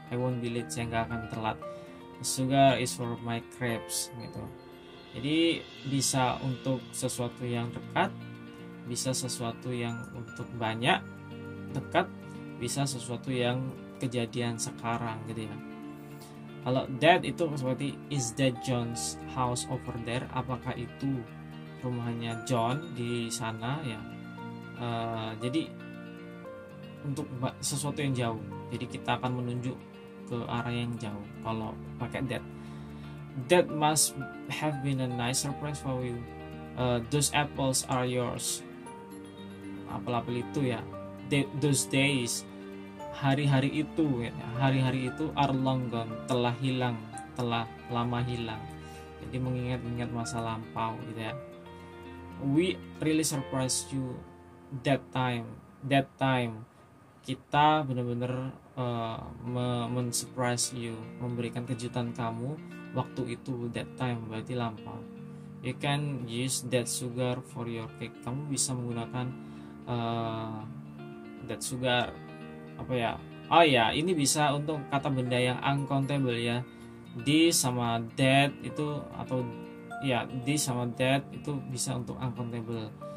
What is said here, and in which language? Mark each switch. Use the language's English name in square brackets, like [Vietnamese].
[English] I won't be late, [Indonesian] saya nggak akan telat. [English] Sugar is for my crepes gitu. [Indonesian] Jadi bisa untuk sesuatu yang dekat, bisa sesuatu yang untuk banyak dekat, bisa sesuatu yang kejadian sekarang gitu ya. Kalau that itu seperti [English] is that John's house over there? [Indonesian] Apakah itu rumahnya John di sana ya? Jadi untuk sesuatu yang jauh, jadi kita akan menunjuk ke arah yang jauh kalau pakai that. [English] That must have been a nice surprise for you. Those apples are yours. [Indonesian] Apel-apel itu ya. [English] Those days, [Indonesian] hari-hari itu, ya. Hari-hari itu [English] are long gone, [Indonesian] telah hilang, telah lama hilang. Jadi mengingat-ingat masa lampau, gitu ya. [English] We really surprised you that time. That time [Indonesian] kita benar-benar men-surprise you, memberikan kejutan kamu waktu itu. That time berarti lampau. [English] You can use that sugar for your cake. [Indonesian] Kamu bisa menggunakan that sugar apa ya? Oh ya, ini bisa untuk kata benda yang uncountable ya. This sama that itu atau ya this sama that itu bisa untuk uncountable.